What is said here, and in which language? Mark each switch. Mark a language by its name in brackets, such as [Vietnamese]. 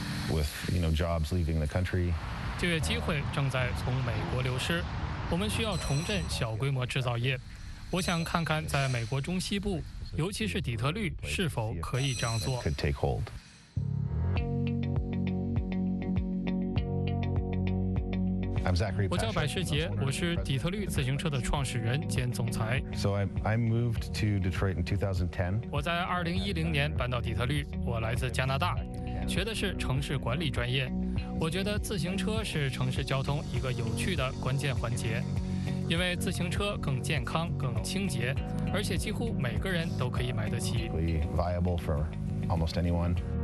[English] With, you know, jobs leaving the country, [Chinese] 就业机会正在从美国流失，我们需要重振小规模制造业。我想看看在美国中西部，尤其是底特律，是否可以这样做。我叫百世杰，我是底特律自行车的创始人兼总裁。 [English] So I moved to Detroit in 2010. [Chinese] 我在2010年搬到底特律，我来自加拿大，学的是城市管理专业。我觉得自行车是城市交通一个有趣的关键环节，因为自行车更健康、更清洁，而且几乎每个人都可以买得起。 [English] Viable for almost anyone.